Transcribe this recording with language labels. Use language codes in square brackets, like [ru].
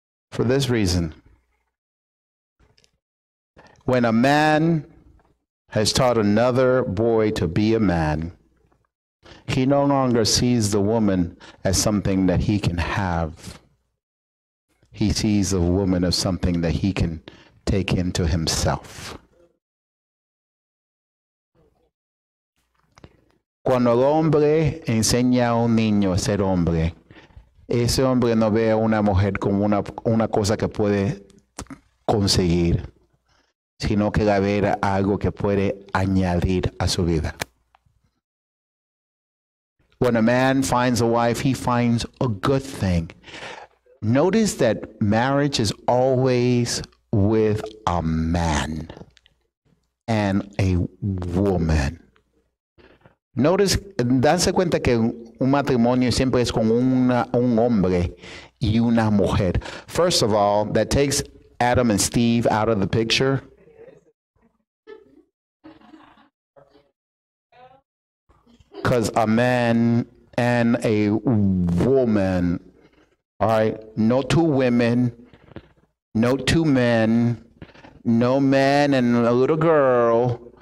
[en] For this reason, when a man has taught another boy to be a man, he no longer sees the woman as something that he can have. He sees the woman as something that he can take into himself. [es] Cuando el hombre enseña a un niño a ser hombre, ese hombre no ve a una mujer como una cosa que puede conseguir, sino que la ve algo que puede añadir a su vida. [en] When a man finds a wife, he finds a good thing. Notice that marriage is always with a man and a woman. Notice, [es] danse cuenta que un matrimonio siempre es con un hombre y una mujer. [en] First of all, that takes Adam and Steve out of the picture. Because a man and a woman, all right, no two women, no two men, no man and a little girl.